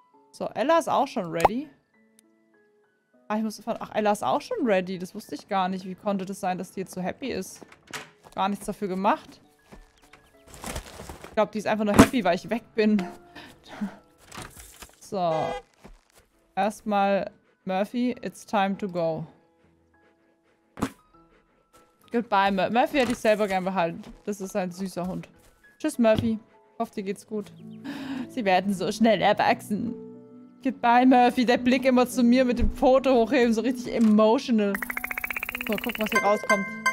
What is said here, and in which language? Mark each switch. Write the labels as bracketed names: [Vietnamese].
[German] So, Ella ist auch schon ready. Ich muss von... Ach, Ella ist auch schon ready. Das wusste ich gar nicht. Wie konnte das sein, dass die jetzt so happy ist? Gar nichts dafür gemacht. Ich glaube, die ist einfach nur happy, weil ich weg bin. So. Erstmal, [English] Murphy, it's time to go. Goodbye, [German] Murphy hätte ich selber gern behalten. Das ist ein süßer Hund. Tschüss, Murphy. Ich hoffe, dir geht's gut. Sie werden so schnell erwachsen. [English] Goodbye, Murphy. [German] Der Blick immer zu mir mit dem Foto hochheben. So richtig emotional. Mal gucken, was hier rauskommt.